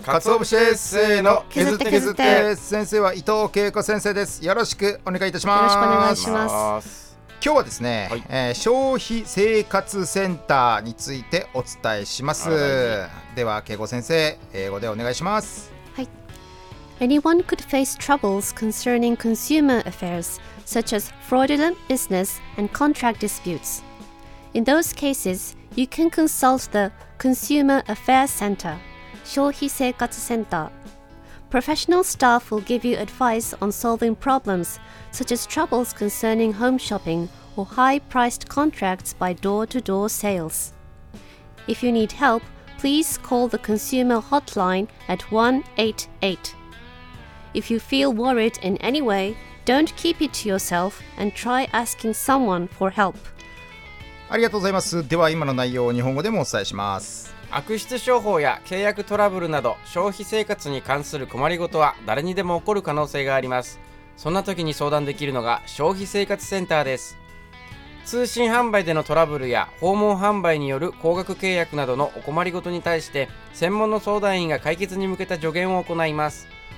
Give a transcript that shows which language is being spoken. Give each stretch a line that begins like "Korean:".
Japanese: カツオ節です。せーの、削って削って。先生は伊藤恵子先生です。よろしくお願いいたします。よろしくお願いします。今日はですね、はい、消費生活センターについてお伝えします。では恵子先生、英語でお願いします。はい。
English: Anyone could face troubles concerning consumer affairs such as fraudulent business and contract disputes. In those cases, you can consult the Consumer Affairs Center, 消費生活センター。 Professional staff will give you advice on solving problems such as troubles concerning home shopping or high-priced contracts by door-to-door sales. If you need help, please call the consumer hotline at 188. If you feel worried in any way, don't keep it to yourself and try asking someone for help.
Japanese: ありがとうございます。では今の内容を日本語でもお伝えします。悪質商法や契約トラブルなど消費生活に関する困りごとは誰にでも起こる可能性があります。そんな時に相談できるのが消費生活センターです。通信販売でのトラブルや訪問販売による高額契約などのお困りごとに対して専門の相談員が解決に向けた助言を行います。